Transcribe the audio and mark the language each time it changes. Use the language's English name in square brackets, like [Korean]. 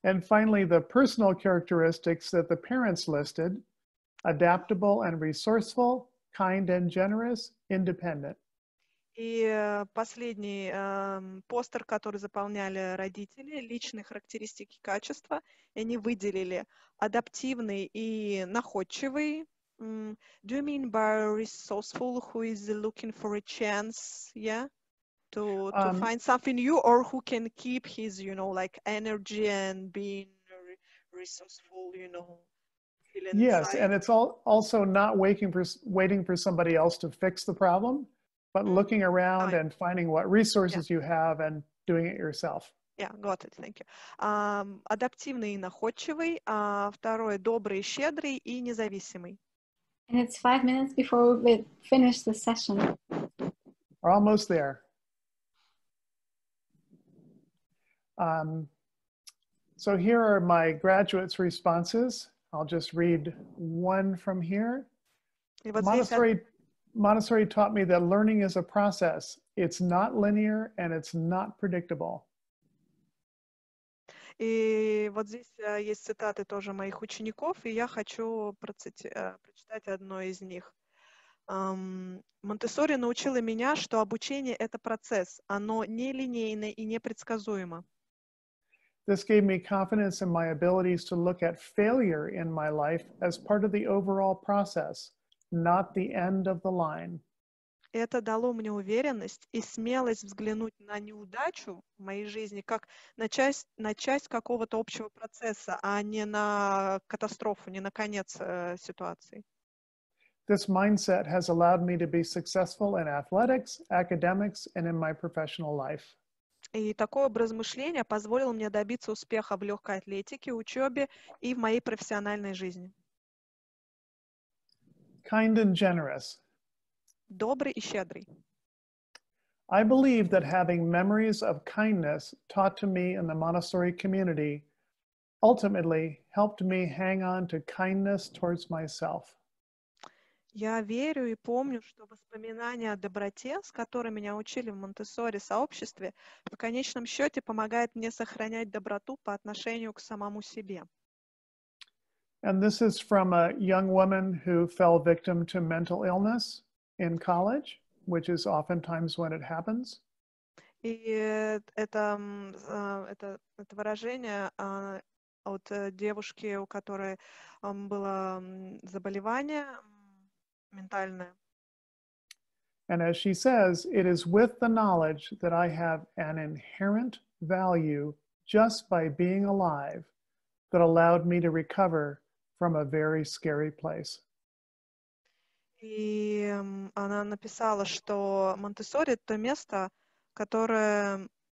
[English] And finally, the personal characteristics that the parents listed: adaptable and resourceful, kind and generous, independent. [Russian] И последний постер, который заполняли родители, личные характеристики, качества, и они выделили адаптивный и находчивый. [English] Do you mean by resourceful, who is looking for a chance, yeah, to find something new, or who can keep his, you know, like energy and being resourceful, you know? Yes, and it's also not waiting for somebody else to fix the problem, but mm-hmm. looking around and finding what resources you have and doing it yourself. Yeah, got it. Thank you. [Russian] Адаптивный и находчивый, а второй — добрый, щедрый и независимый. [English] And it's 5 minutes before we finish the session. We're almost there. So here are my graduates' responses. I'll just read one from here. Montessori taught me that learning is a process. It's not linear and it's not predictable. [Russian] И вот здесь есть цитаты тоже моих учеников, и я хочу прочитать одно из них. Монтессори научила меня, что обучение — это процесс. Оно нелинейное и непредсказуемо. [English] This gave me confidence in my abilities to look at failure in my life as part of the overall process, not the end of the line. [Russian] Это дало мне уверенность и смелость взглянуть на неудачу в моей жизни как на часть какого-то общего процесса, а не на катастрофу, не на конец ситуации. [English] This mindset has allowed me to be successful in athletics, academics, and in my professional life. [Russian] И такой образ мышления позволил мне добиться успеха в легкой атлетике, учебе и в моей профессиональной жизни. [English] Kind and generous. [Russian] Добрый и щедрый. [English] I believe that having memories of kindness taught to me in the Montessori community ultimately helped me hang on to kindness towards myself. [Russian] Я верю и помню, что воспоминания о доброте, с которой меня учили в Монтессори сообществе, в конечном счете помогает мне сохранять доброту по отношению к самому себе. [English] And this is from a young woman who fell victim to mental illness in college, which is oftentimes when it happens. [Russian] И это выражение от девушки, у которой было заболевание ментальное. [English] And as she says, it is with the knowledge that I have an inherent value just by being alive that allowed me to recover from a very scary place. [Russian] И она написала, что Монтессори — это место, которое...